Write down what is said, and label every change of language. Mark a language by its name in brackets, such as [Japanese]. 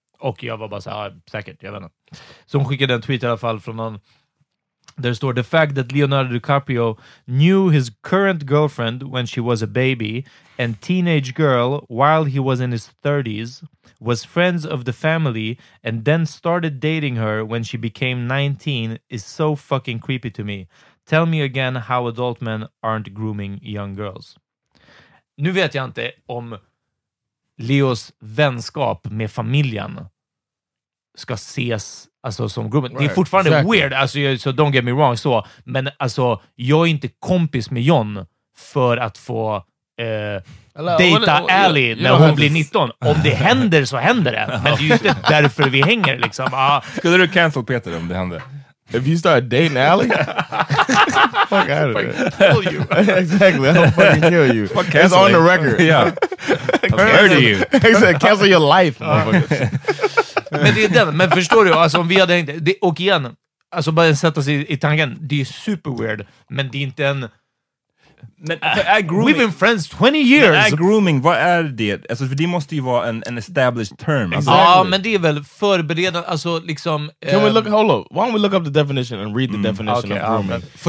[Swedish] Och jag var bara så här, säkert, jag vet inte. Så hon skickade en tweet i alla fall från någon, där det står: [English] "The fact that Leonardo DiCaprio knew his current girlfriend when she was a baby and teenage girl while he was in his 30s, was friends of the family, and then started dating her when she became 19 is so fucking creepy to me. Tell me again how adult men aren't grooming young girls." [Swedish] Nu vet jag inte om Leos vänskap med familjen ska ses alltså som grooming. [English] Right. [Swedish] Det är fortfarande weird, alltså, [English] so don't get me wrong. [Swedish] Så. Men alltså, jag är inte kompis med John för att få dejta Ally när hon blir 19. Om det händer så händer det. Men det är ju inte därför vi hänger. Liksom. Skulle du cancel Peter om det händer? [English] If you start dating Ally? Fuck out of it. Kill you. Exactly. I'll fucking kill you. Fuck, it's on the record. Yeah. Heard of you. Exactly. Cancel your life. [Swedish] Men det är den. Men förstår du? Alltså, om vi hade hängt, det, och igen. Alltså, bara sätta sig i tanken. Det är super weird. Men det är inte en... Men, grooming, [English] we've been friends 20 years. [Swedish] Men grooming, vad är det? Alltså, för det måste ju vara en [English] established term. [Swedish] Ja, exactly. Men det är väl förberedande, alltså liksom. [English] Can we look, hold on, why don't we look up the definition and read the definition of grooming?